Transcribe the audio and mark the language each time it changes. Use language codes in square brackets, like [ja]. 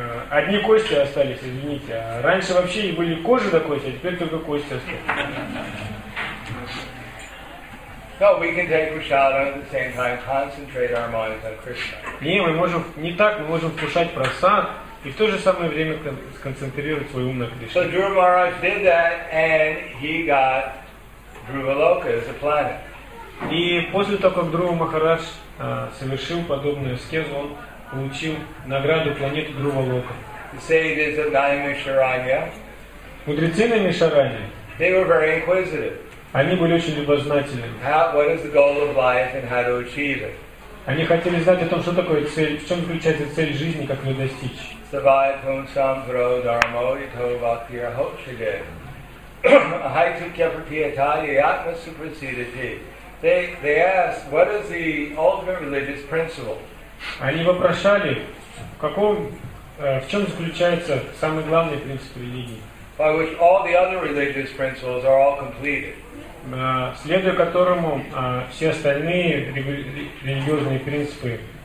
[ru] Одни кости остались, извините. А раньше вообще и были кожа до кости, а теперь только кости остались. [en] No, we can take prasadam at the same time, concentrate our minds on Krishna. [ru] Не, мы можем не так, мы можем кушать прасад и в то же самое время сконцентрировать свой ум на Кришне. [en] So Dhruva Maharaj did that, and he got Dhruvaloka as a planet. [ru] И после того, как Dhruva Maharaj совершил подобную аскезу, он получил награду планеты Dhruvaloka. [en] The sages of Naimisharanya. [ru] Мудрецы Наимишаранья. [en] They were very inquisitive. [ru] Они были очень любознательны. [en] What is the goal of life and how to achieve it? [ru] Они хотели знать о том, что такое цель, в чем заключается цель жизни, как ее достичь. [sa] Savayatam sampro dharmo yato bhaktir hokshade. Haitukya prapiyataya yatma supersedati. [en] They asked, what is the ultimate religious principle? [ru] Они вопрошали, в чем заключается самый главный принцип религии. [en] By which all the other religious principles are all completed. [ru] Следуя которому все остальные религиозные принципы